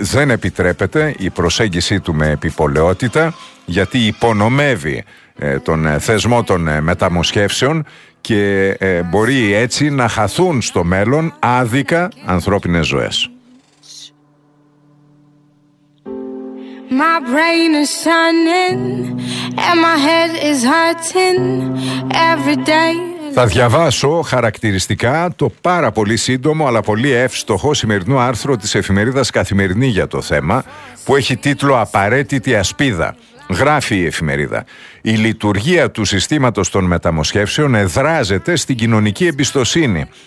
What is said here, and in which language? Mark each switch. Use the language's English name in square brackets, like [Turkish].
[Greek] Δεν επιτρέπεται η προσέγγιση του με επιπολαιότητα, γιατί υπονομεύει τον θεσμό των μεταμοσχεύσεων και μπορεί έτσι να χαθούν στο μέλλον άδικα ανθρώπινες ζωές. [English] My brain is shining and my head is hurting every day. [Greek] Θα διαβάσω χαρακτηριστικά το πάρα πολύ σύντομο αλλά πολύ εύστοχο σημερινό άρθρο της εφημερίδας Καθημερινή για το θέμα, που έχει τίτλο «Απαραίτητη ασπίδα». Γράφει η εφημερίδα: «Η λειτουργία του συστήματος των μεταμοσχεύσεων εδράζεται στην κοινωνική εμπιστοσύνη.